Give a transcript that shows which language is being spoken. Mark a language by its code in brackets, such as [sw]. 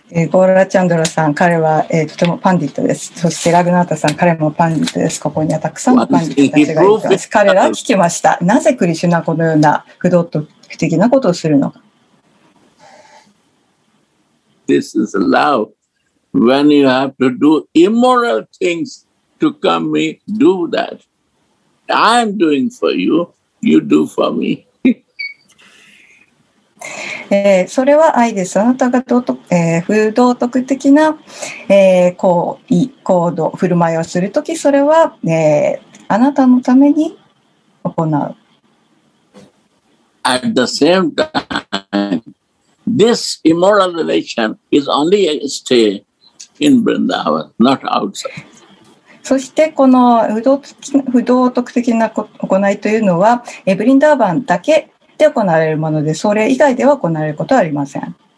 [ja] ゴーラチャンドラさん、彼は、とてもパンディットです。そしてラグナータさん、彼もパンディットです。ここにはたくさんのパンディットたちがいます。彼らは聞きました。なぜクリシュナはこのような不道徳的なことをするのか。 [en] This is love. When you have to do immoral things to come me, do that. I'm doing for you, you do for me. [ja] それは愛です。あなたが不道徳的な、行為、行動、振る舞いをするとき、それは、あなたのために行う。 [en] At the same time, this immoral relation is only a stay in Vrindavan, not outside. [ja] そしてこの不道徳的な行いというのは、ブリンダーバンだけ。行われるもので、それ以外では行われることはありません。